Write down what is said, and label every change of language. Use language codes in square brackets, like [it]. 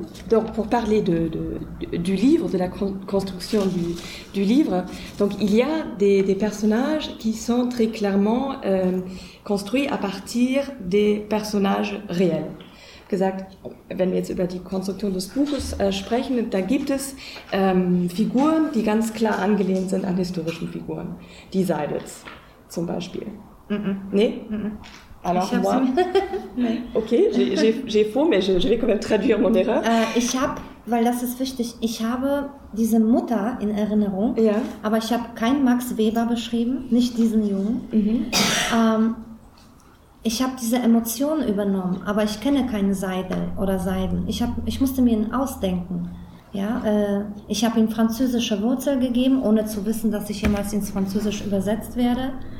[fr] Donc pour parler du livre, de la construction du livre, donc il y a des personnages qui sont très clairement construits à partir des personnages réels. [de] Gesagt, wenn wir jetzt über die Konstruktion des Buches sprechen, da gibt es Figuren, die ganz klar angelehnt sind an historischen Figuren. Die Seidels zum Beispiel. Mm-mm. Nee? Mm-mm. [fr] Alors moi, ok, j'ai faux, mais je vais quand même traduire mon erreur. [de] Ich habe, weil das ist wichtig, ich habe diese Mutter in Erinnerung, ja. Aber ich habe keinen Max Weber beschrieben, nicht diesen Jungen. Mhm. Ich habe diese Emotionen übernommen, aber ich kenne keine Seidel oder Seiden. Ich musste mir ihn ausdenken. Ja, ich habe ihm französische Wurzel gegeben, ohne zu wissen, dass ich jemals ins Französisch übersetzt werde.